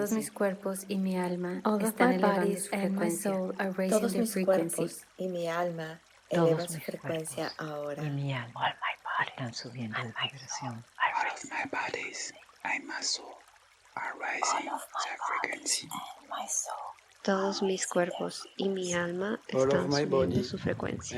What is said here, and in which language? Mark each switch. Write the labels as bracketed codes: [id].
[es] Todos mis cuerpos y mi alma están elevando su frecuencia. Todos mis cuerpos y mi alma elevan su frecuencia ahora. Y mi alma. [en] All my bodies. [es] Están subiendo [en] and [es] la vibración. [en] All of my bodies and my soul are raising their frequency. [es] Todos mis cuerpos y mi alma están subiendo su frecuencia.